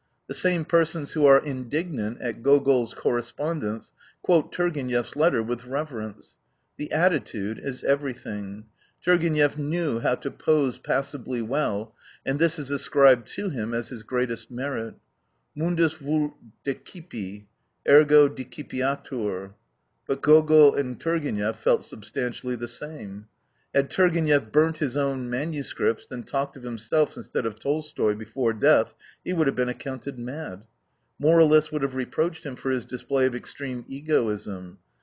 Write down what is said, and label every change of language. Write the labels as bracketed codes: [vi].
[en] The same persons who are indignant at Gogol's correspondence quote Turgenev's letter with reverence. The attitude is everything. Turgenev knew how to pose passably well, and this is ascribed to him as his greatest merit. [la] Mundus vult decipi, ergo decipiatur. [en] But Gogol and Turgenev felt substantially the same. Had Turgenev burnt his own manuscripts and talked of himself instead of Tolstoy before death, he would have been accounted mad. Moralists would have reproached him for his display of extreme egoism.